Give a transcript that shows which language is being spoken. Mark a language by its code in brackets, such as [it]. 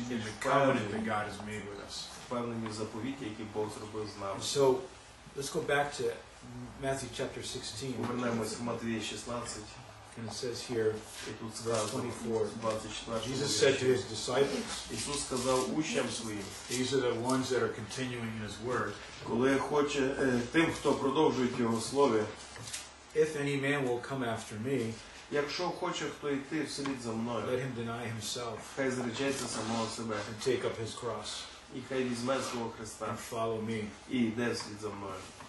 [en] in the covenant that God has made with us. [uk] Впевнені в заповіті, які Бог зробив з нами. [en] So, let's go back to Matthew chapter 16, and it says here, verse 24, Jesus said to his disciples, [uk] Ісус сказав учням своїм, [en] these are the ones that are continuing in his word, [uk] коли хоче тим, хто продовжує його слово, [en] if any man will come after me, [uk] якщо хоче хто йти вслід за мною, [en] let him deny himself, [uk] хай зречеться самого себе, [en] and take up his cross, [uk] і хай візьме свого хреста, [en] and follow me, [uk] і йде вслід за мною.